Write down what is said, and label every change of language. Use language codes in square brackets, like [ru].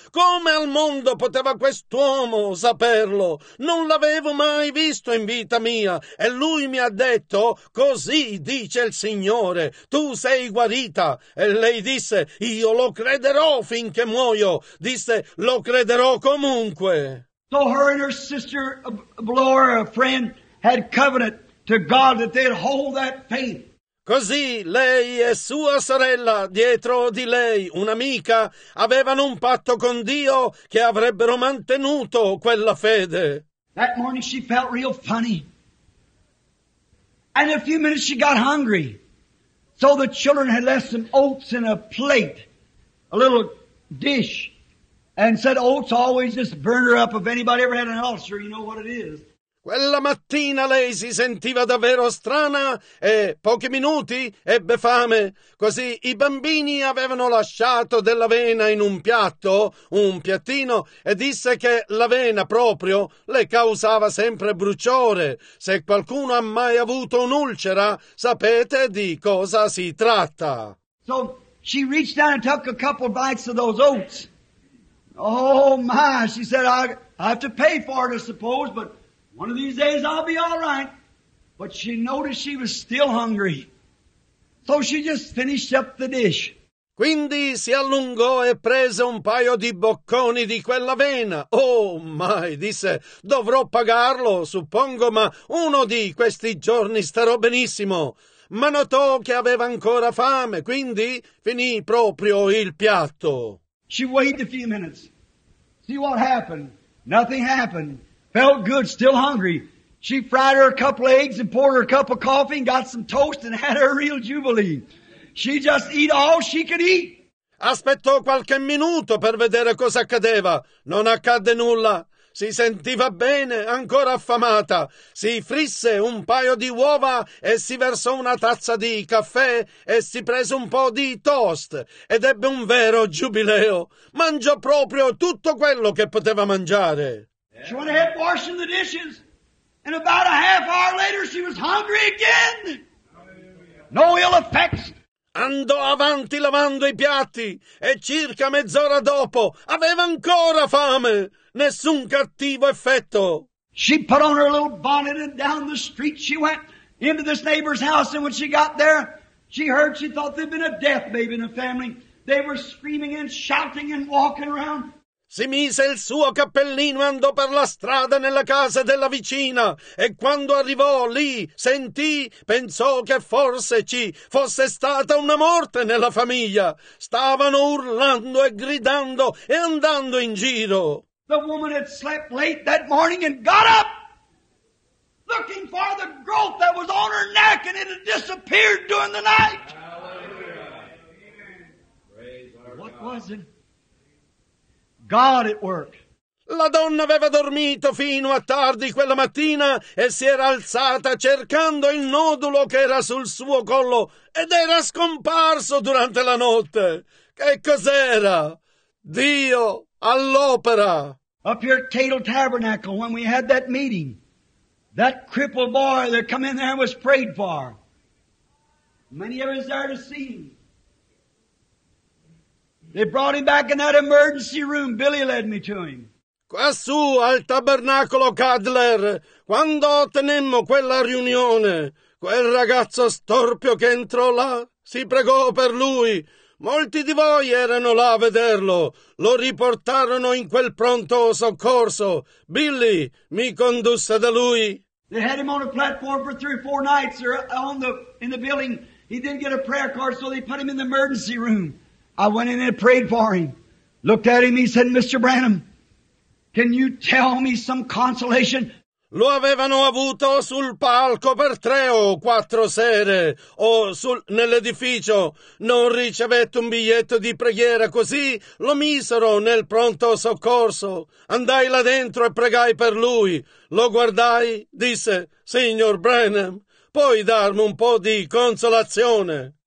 [it] Come al mondo poteva quest'uomo saperlo? Non l'avevo mai visto in vita mia e lui mi ha detto, così dice il Signore, tu sei guarita. E lei disse, io lo crederò finché muoio. Disse, lo crederò comunque. [en] So her and her sister, Laura, a friend, had covenant to God that they'd hold that faith. [it] Così lei e sua sorella, dietro di lei, un'amica, avevano un patto con Dio che avrebbero mantenuto quella fede. [en] That morning she felt real funny. And in a few minutes she got hungry. So the children had left some oats in a plate, a little dish, and said oats always just burn her up. If anybody ever had an ulcer, you know what it is. [it] Quella mattina lei si sentiva davvero strana e pochi minuti ebbe fame. Così i bambini avevano lasciato dell'avena in un piatto, un piattino, e disse che l'avena proprio le causava sempre bruciore. Se qualcuno ha mai avuto un'ulcera, sapete di cosa si tratta. [en] So she reached down and took a couple of bites of those oats. Oh my, she said, I have to pay for it, I suppose, but one of these days I'll be all right. But she noticed she was still hungry. So she just finished up the dish. [it] Quindi si allungò e prese un paio di bocconi di quell'avena. [en] Oh my, [it] disse, dovrò pagarlo, suppongo, ma uno di questi giorni starò benissimo. Ma notò che aveva ancora fame, quindi finì proprio il piatto. [en] She waited a few minutes. See what happened. Nothing happened. Felt good, still hungry. She fried her a couple of eggs and poured her a cup of coffee and got some toast and had her real jubilee. She just ate all she could eat. [it] Aspettò qualche minuto per vedere cosa accadeva. Non accadde nulla. Si sentiva bene, ancora affamata. Si frisse un paio di uova e si versò una tazza di caffè e si prese un po' di toast ed ebbe un vero giubileo. Mangiò proprio tutto quello che poteva mangiare. [en] She went ahead washing the dishes, and about a half hour later she was hungry again. No ill effects. [it] Andò avanti lavando i piatti, e circa mezz'ora dopo aveva ancora fame. Nessun cattivo effetto. [en] She put on her little bonnet and down the street she went into this neighbor's house, and when she got there, she heard, she thought there'd been a death maybe in the family. They were screaming and shouting and walking around. [it] Si mise il suo cappellino e andò per la strada nella casa della vicina e quando arrivò lì, sentì, pensò che forse ci fosse stata una morte nella famiglia. Stavano urlando e gridando e andando in giro. [en] The woman had slept late that morning and got up looking for the growth that was on her neck and it had disappeared during the night. What was it? God at work. [it] La donna aveva dormito fino a tardi quella mattina e si era alzata cercando il nodulo che era sul suo collo ed era scomparso durante la notte. Che cos'era? Dio all'opera. [en] Up here at Cato Tabernacle, when we had that meeting, that crippled boy that come in there and was prayed for. Many of us there to see him. They brought him back in that emergency room. Billy led me to him. [it] Quassù al tabernacolo Cadler, quando tenemmo quella riunione, quel ragazzo storpio che entrò là si pregò per lui. Molti di voi erano là a vederlo. Lo riportarono in quel pronto soccorso. Billy mi condusse da lui. [en] They had him on a platform for three or four nights or in the building. He didn't get a prayer card, so they put him in the emergency room. I went in and prayed for him. Looked at him, he said, Mr. Branham, can you tell me some consolation? [it] Lo avevano avuto sul palco per tre o quattro sere, nell'edificio. Non ricevette un biglietto di preghiera, così lo misero nel pronto soccorso. Andai là dentro e pregai per lui. Lo guardai, disse, Signor Branham, puoi darmi un po' di consolazione?